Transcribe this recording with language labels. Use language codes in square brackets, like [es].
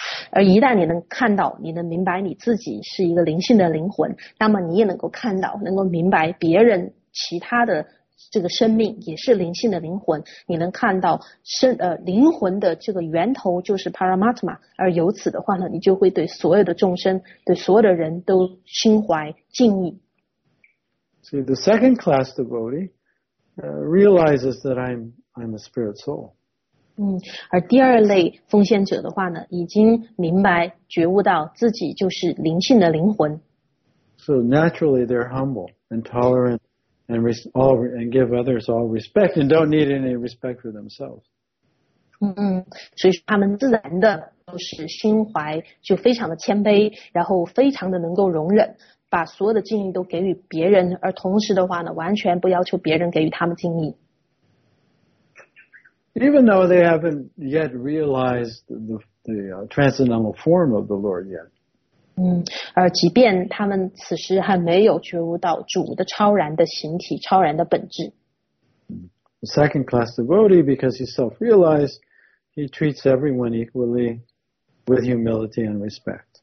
[zh] 而一旦你能看到，你能明白你自己是一个灵性的灵魂，那么你也能够看到，能够明白别人其他的这个生命也是灵性的灵魂，你能看到灵魂的这个源头就是 Paramatma， 而由此的话呢，你就会对所有的众生，对所有的人都心怀敬意。 [en] See, the second class devotee realizes that I'm a spirit soul. [zh] 而第二类奉献者的话呢，已经明白觉悟到自己就是灵性的灵魂。 [en] So naturally they're humble and tolerant. And give others all respect and don't need any respect for themselves. [zh] 所以他们自然的都是心怀就非常的谦卑，然后非常的能够容忍，把所有的敬意都给予别人，而同时的话呢，完全不要求别人给予他们敬意。 [en] Even though they haven't yet realized the transcendental form of the Lord yet. [zh] 而即便他们此时还没有觉悟到主的超然的形体、超然的本质。 [en] The second class devotee, because he's self-realized, he treats everyone equally with humility and respect.